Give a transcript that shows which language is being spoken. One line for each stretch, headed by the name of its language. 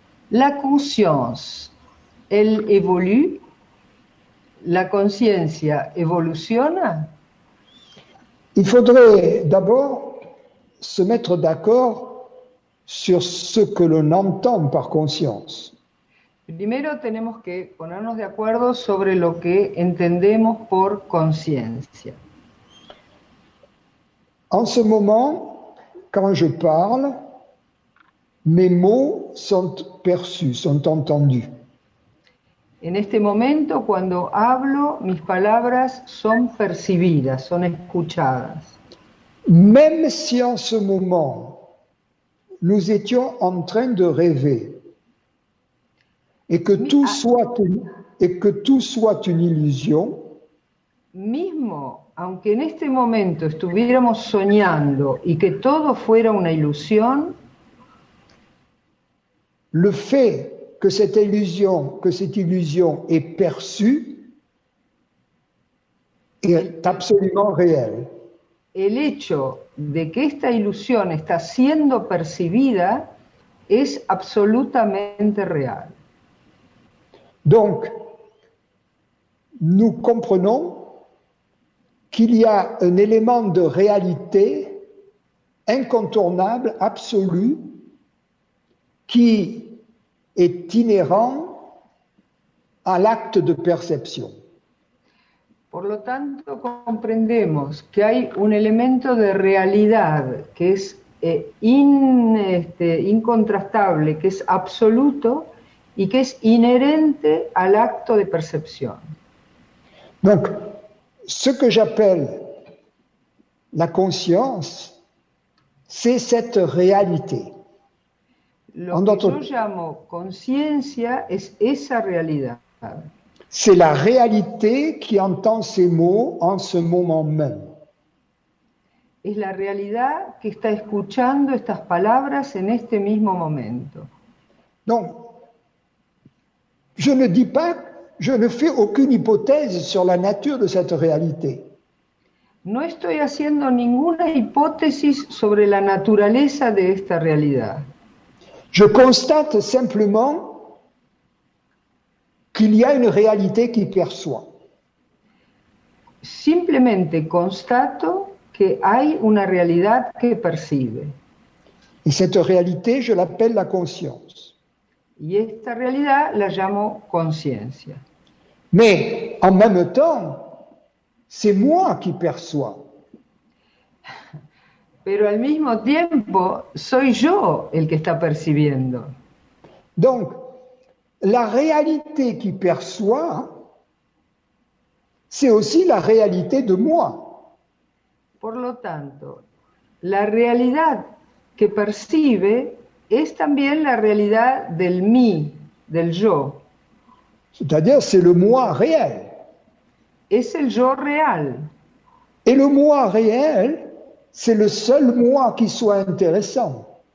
French: La conscience, elle évolue? La conscience évolue? Il faudrait d'abord se mettre d'accord sur ce que l'on entend par conscience.
Spanish: Primero tenemos que ponernos de acuerdo sobre lo que entendemos por conciencia.
French: En ce moment, quand je parle, mes mots sont perçus, sont entendus.
Spanish: En este momento, cuando hablo, mis palabras son percibidas, son escuchadas.
French: Même si en ce moment, nous étions en train de rêver, et que tout soit une illusion.
Spanish: Mismo, aunque en este momento estuviéramos soñando y que todo fuera una ilusión,
French: le fait que cette illusion est perçue est absolument réel.
Spanish: El hecho de que esta ilusión está siendo percibida es absolutamente real.
French: Donc, nous comprenons qu'il y a un élément de réalité incontournable, absolu, qui est inhérent à l'acte de perception.
Spanish: Por lo tanto, comprendemos que hay un elemento de realidad que es incontrastable, que es absoluto y que es inherente al acto de percepción.
French: Donc, ce que j'appelle la conscience, c'est cette réalité.
Spanish: Lo que yo llamo conciencia es esa realidad.
French: C'est la réalité qui entend ces mots en ce moment même.
Spanish: Es la realidad que está escuchando estas palabras en este mismo momento.
French: Donc, je ne dis pas, je ne fais aucune hypothèse sur la nature de cette réalité.
Spanish: No estoy haciendo ninguna hipótesis sobre la naturaleza de esta realidad.
French: Je constate simplement qu'il y a une réalité qui perçoit.
Spanish: Simplemente constato que hay una realidad que percibe.
French: Et cette réalité, je l'appelle la conscience.
Spanish: Y esta realidad la llamo conciencia.
French: Mais en même temps, c'est moi qui perçois.
Spanish: Pero al mismo tiempo, soy yo el que está percibiendo.
French: Donc, la réalité qui perçoit, c'est aussi la réalité de moi.
Spanish: Por lo tanto, la realidad que percibe es también la realidad del mí, del yo.
French: C'est-à-dire, c'est le moi réel.
Spanish: Es el yo real.
French: Et le moi réel, c'est le seul moi qui soit intéressant.